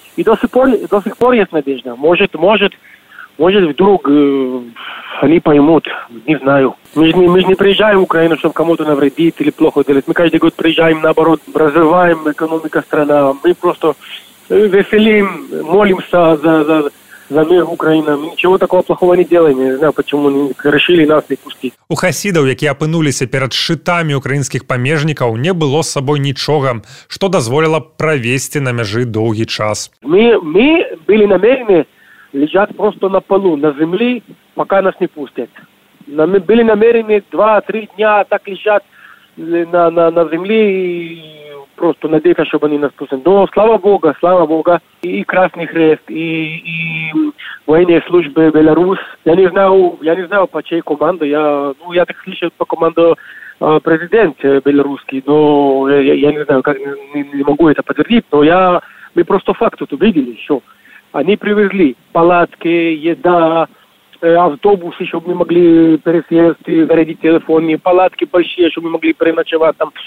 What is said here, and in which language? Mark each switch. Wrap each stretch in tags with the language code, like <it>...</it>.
<ru>И до сих пор есть надежда. Может, вдруг они поймут, не знаю. Мы же не приезжаем в Украину, чтобы кому-то навредить или плохо делать. Мы каждый год приезжаем, наоборот, развиваем экономику страны. Мы просто веселим, молимся за мир Украина. Ничего такого плохого не делаем. Не знаю, почему они решили нас не пустить.</ru> <be>У хасідаў, якія апынуліся перад шытамі украінскіх памежнікаў, не было з сабой нічога, што дазволіла правесці на мяжы доўгі час.</be> <ru>Мы былі намерены ляжаць просто на палу, на зямлі, пока нас не пустяць. Мы былі намерены 2-3 дня так ляжаць на зямлі і просто надеяться, чтобы они нас пустили. Но слава Богу, и Красный Крест, и военные службы Беларусь. Я не знаю, по чьей команде. Я так слышал, по команде президент белорусский, но я не могу это подтвердить, но мы просто факт тут увидели, что они привезли палатки, еда, автобусы, чтобы мы могли пересесть, зарядить телефон, палатки большие, чтобы мы могли переночевать там.</ru>